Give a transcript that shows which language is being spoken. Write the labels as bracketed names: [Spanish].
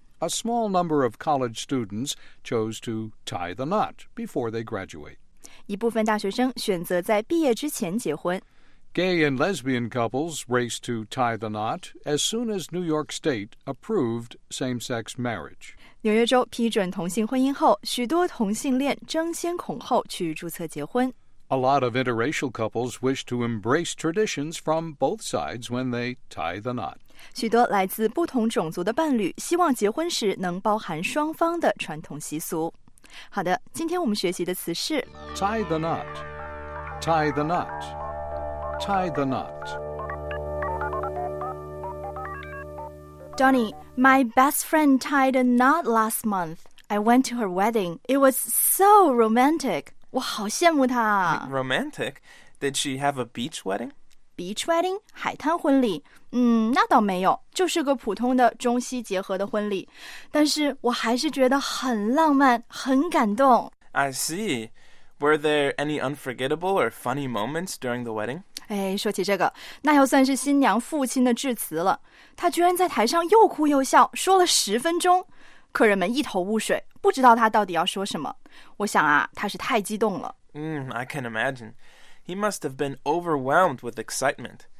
[English] A small number of college students chose to tie the knot before they graduate. [Chinese] 一部分大学生选择在毕业之前结婚。 [English] Gay and lesbian couples raced to tie the knot as soon as New York State approved same-sex marriage. [Chinese] 纽约州批准同性婚姻后，许多同性恋争先恐后去注册结婚。 [English] A lot of interracial couples wish to embrace traditions from both sides when they tie the knot. [Chinese] 许多来自不同种族的伴侣希望结婚时能包含双方的传统习俗。好的，今天我们学习的词是 [English] tie the knot, tie the knot, tie the knot. Donnie, my best friend tied a knot last month. I went to her wedding. It was so romantic. [Chinese] 我好羡慕她 [English] 啊。Romantic? Did she have a beach wedding? Beach wedding? [Chinese] 海滩婚礼？那倒没有，就是个普通的中西结合的婚礼。但是我还是觉得很浪漫，很感动。 [English] I see. Were there any unforgettable or funny moments during the wedding? [Chinese] 哎，说起这个，那要算是新娘父亲的致辞了。他居然在台上又哭又笑，说了十分钟。客人们一头雾水，不知道他到底要说什么。我想啊，他是太激动了。 [English] I can imagine. He must have been overwhelmed with excitement.